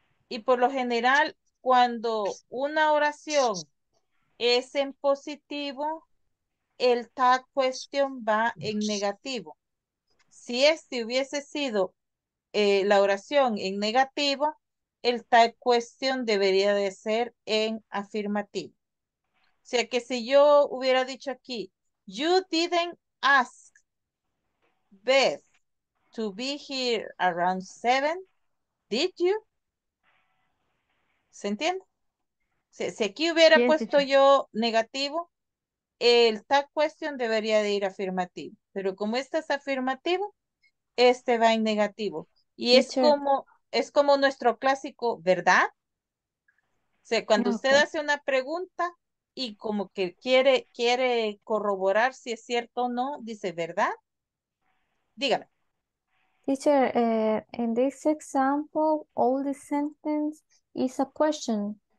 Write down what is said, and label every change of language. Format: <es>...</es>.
<es>Y por lo general, cuando una oración es en positivo, el tag question va en negativo. Si este hubiese sido la oración en negativo, el tag question debería de ser en afirmativo. O sea que si yo hubiera dicho aquí,</es> <en>you didn't ask Beth to be here around 7, did you?</en> <es>¿Se entiende? Si aquí hubiera puesto yo negativo, el tag question debería de ir afirmativo. Pero como este es afirmativo, este va en negativo. Y es como nuestro clásico, ¿verdad? O sea, cuando usted hace una pregunta y como que quiere corroborar si es cierto o no, dice, ¿verdad? Dígame.</es> <en>Teacher, in this example, all the sentence is a question.</en>